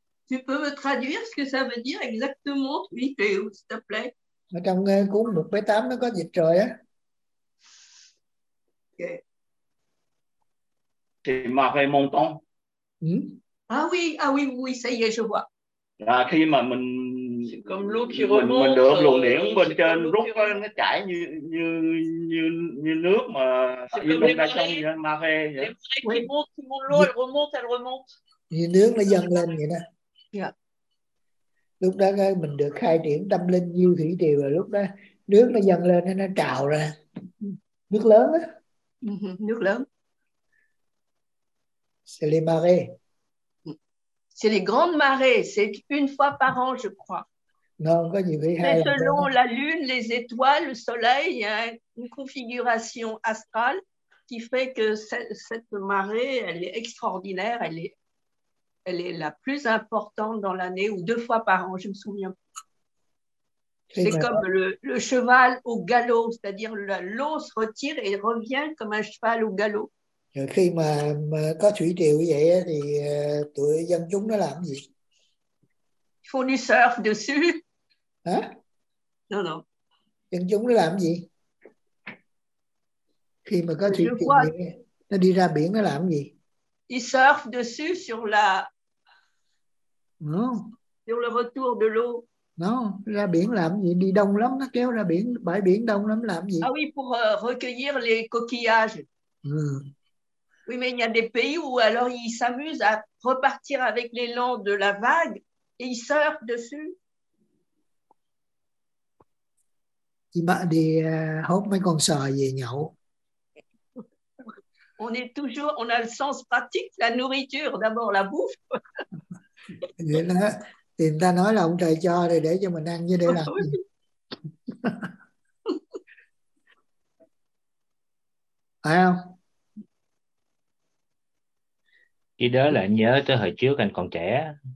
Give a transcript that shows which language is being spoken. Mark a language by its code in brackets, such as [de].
[fr] Tu peux me traduire ce que ça veut dire exactement, thủy triều, s'il te plaît. [vi] Ở trong cuốn 1-8 nó có dịch rồi á. [fr] C'est marée montante. Ah oui, ah oui, oui, ça y est, je vois. [vi] À, khi mà mình [fr] c'est comme l'eau qui remonte, [vi] mình được luồng điện bên trên rút nó chảy như như như như nước mà như nước đã trong như marée vậy. Oui. [fr] L'eau, elle remonte, elle remonte. [vi] Như nước nó dâng lên vậy đó. [en] Yeah. [vi] Lúc đó mình được khai triển tâm linh như thủy triều và lúc đó nước nó dâng lên nó trào ra nước lớn á. Nước lớn. [fr] C'est les marées. C'est les grandes marées. C'est une fois par an, je crois. [vi] Non, có nhiều [fr] mais selon là. La lune, les étoiles, le soleil, il y a une configuration astrale qui fait que cette marée, elle est extraordinaire. Elle est la plus importante dans l'année ou deux fois par an, je me souviens. C'est mais comme le cheval au galop, c'est-à-dire l'eau se retire et revient comme un cheval au galop. [vi] Khi mà có thủy triều như vậy thì tụi dân chúng nó làm gì? [fr] Font du surf dessus. [vi] Hả? [fr] Non, non. [vi] Dân chúng nó làm gì? Khi mà có thủy triều vậy, nó đi ra biển nó làm gì? [fr] Ils surfent dessus sur la. Non. Sur le retour de l'eau. [vi] Non, ra biển làm gì? Đi đông lắm, nó kéo ra biển, bãi biển đông lắm làm gì? [fr] Ah oui, pour recueillir les coquillages. Oui, mais il y a des pays où alors ils s'amusent à repartir avec l'élan de la vague et ils surfent dessus. Ils bat des hôp [vi] mấy con sò về nhậu. [fr] On est toujours, on a le sens pratique, la nourriture d'abord, la bouffe. [vi] Thì người ta nói là ông trời cho rồi để cho mình ăn như để làm. Phải không? Cái đó là nhớ tới hồi trước anh còn trẻ.